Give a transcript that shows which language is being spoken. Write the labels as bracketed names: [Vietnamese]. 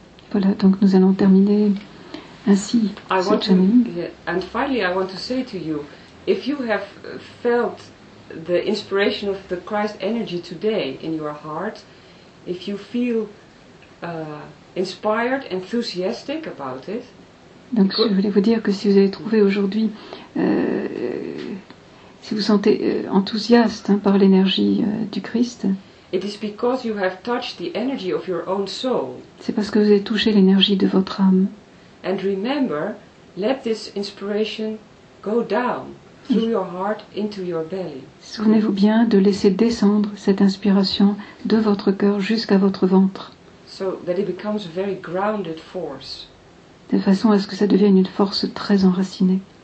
[French] voilà, donc nous allons terminer ainsi, [English] I want to, and finally, I want to say to you, if you have felt the inspiration of the Christ energy today in your heart, if you feel inspired, enthusiastic about it. [French] Donc, je voulais vous dire que si vous avez trouvé aujourd'hui, si vous sentez enthousiaste hein, par l'énergie du Christ. [English] It is because you have touched the energy of your own soul. [French] C'est parce que vous avez touché l'énergie de votre âme. [English] And remember, let this inspiration go down through your heart into your belly. [French] Souvenez-vous bien de laisser descendre cette inspiration de votre cœur jusqu'à votre ventre. [English] So that it becomes a very grounded force. [French] De façon à ce que ça devienne une force très enracinée.